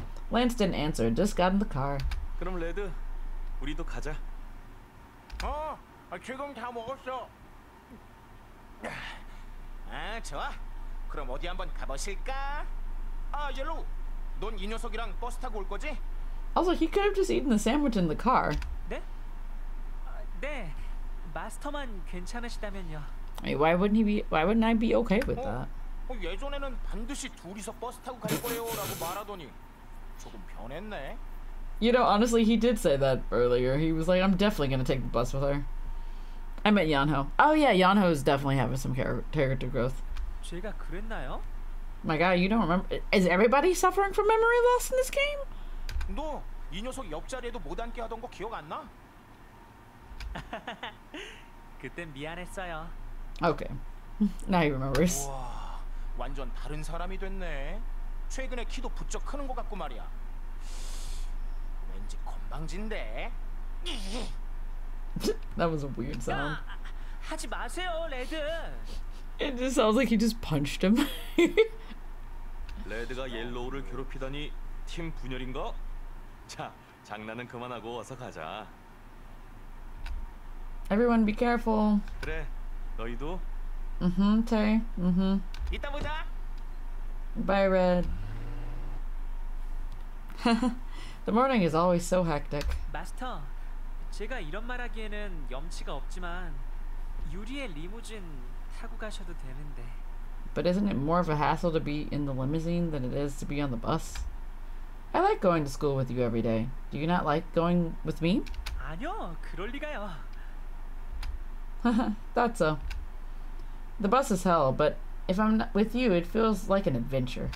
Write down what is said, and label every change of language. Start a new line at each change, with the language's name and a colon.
English: Lance didn't answer. Just got in the car.
Korean: 그럼 레드, 우리도 가자. 어, 지금 다 먹었어. 아, 좋아. 그럼 어디 한번 가보실까? 아, 옐로우, 넌 이 녀석이랑 버스 타고 올 거지?
English: Also, he could have just eaten the sandwich in the car.
Korean: 네? 네, 마스터만 괜찮으시다면요.
English: Why wouldn't I be okay with that?
Korean: 어, 예전에는 반드시 둘이서 버스 타고 갈 거예요 라고 말하더니 조금 변했네.
English: You know, honestly, he did say that earlier. He was like, I'm definitely going to take the bus with her. I met Yeonho. Oh, yeah, Yeonho is definitely having some character growth.
Korean: 제가 그랬나요?
English: My God, you don't remember. Is everybody suffering from memory loss in this game?
Korean: 너, 이 녀석 옆자리에도 못 앉게 하던 거 기억 안 나? 그땐 미안했어요.
English: Okay. Now he remembers.
Korean: 우와, 완전 다른 사람이 됐네. 최근에 키도 부쩍 크는 것 같고 말이야. 건방진데.
English: That was a weird sound.
Korean: 하지 마세요, 레드.
English: It just sounds like he just punched him.
Korean: 레드가 옐로우를 괴롭히다니 팀 분열인가? 자, 장난은 그만하고 어서 가자.
English: Everyone be careful.
Korean: 그래. 너희도. 음, 테. 음. 이따 보자.
English: Bye, Red. The morning is always so hectic.
Korean: Master, 제가 이런 말하기에는 염치가 없지만 유리의 리무진 타고 가셔도 되는데.
English: But isn't it more of a hassle to be in the limousine than it is to be on the bus? I like going to school with you every day. Do you not like going with me?
Korean: 아니요, 그럴 리가요.
English: Thought so. The bus is hell, but if I'm not with you, it feels like an adventure.